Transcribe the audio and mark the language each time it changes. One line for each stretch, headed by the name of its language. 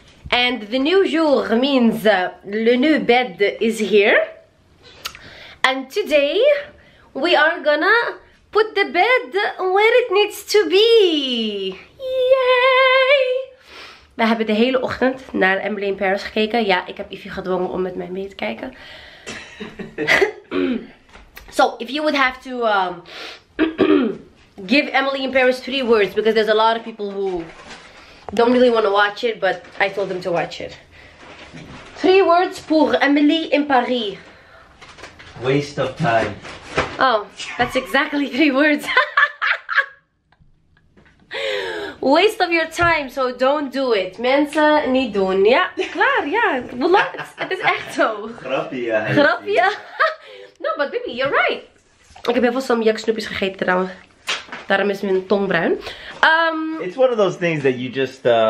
English: And the new jour means le new bed is here. And today, we are gonna put the bed where it needs to be. Yay!
Dutch: We hebben de hele ochtend naar Emily in Paris gekeken. Ja, ik heb Ivy gedwongen om met mij mee te kijken.
English: So, if you would have to give Emily in Paris 3 words, because there's a lot of people who don't really want to watch it, but I told them to watch it. 3 words pour Emily in Paris. Waste of time. Oh, that's exactly 3 words. Waste of your time, so don't do it.
Dutch: Mensen, niet doen. Ja, klaar, ja. Het is echt zo. Grapje. Grapje.
English: No, but baby, you're right.
Dutch: Ik heb heel veel samyak snoepjes gegeten trouwens. Daarom is mijn tong bruin.
English: It's one of those things that you just...